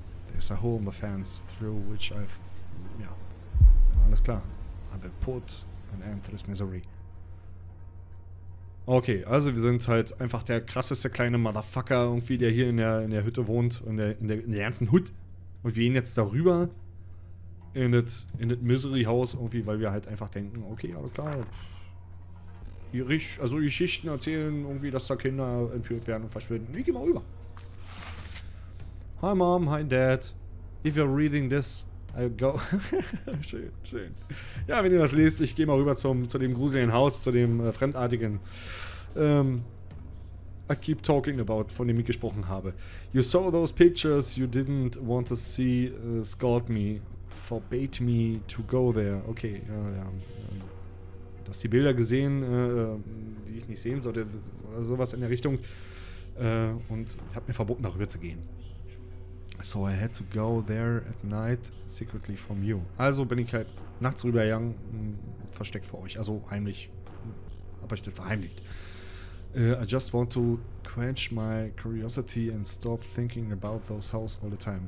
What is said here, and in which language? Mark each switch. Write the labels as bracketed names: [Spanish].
[English] There's a hole in the fence through which I've... Yeah. [German] Alles klar. [English] I will put an end to this misery. [German] Okay, also wir sind halt einfach der krasseste kleine Motherfucker irgendwie, der hier in der Hütte wohnt. In der ganzen Hood. Und wir gehen jetzt darüber in das Misery House irgendwie, weil wir halt einfach denken, okay, alles klar. Also Geschichten erzählen irgendwie, dass da Kinder entführt werden und verschwinden. Wie gehen wir rüber? Hi Mom, hi Dad. [English] If you're reading this, I'll go. [German] Schön, schön. Ja, wenn ihr das lest, ich gehe mal rüber zu dem gruseligen Haus, zu dem Fremdartigen. [English] I keep talking about, [German] von dem ich gesprochen habe. [English] You saw those pictures you didn't want to see, scold me, forbade me to go there. [German] Okay, ja, ja. Du hast die Bilder gesehen, die ich nicht sehen sollte, oder sowas in der Richtung. Und ich habe mir verboten, darüber zu gehen. [English] So I had to go there at night secretly from you. [German] Also bin ich halt nachts rübergegangen, versteckt vor euch. Also heimlich, habe ich das verheimlicht. [English] I just want to quench my curiosity and stop thinking about those house all the time.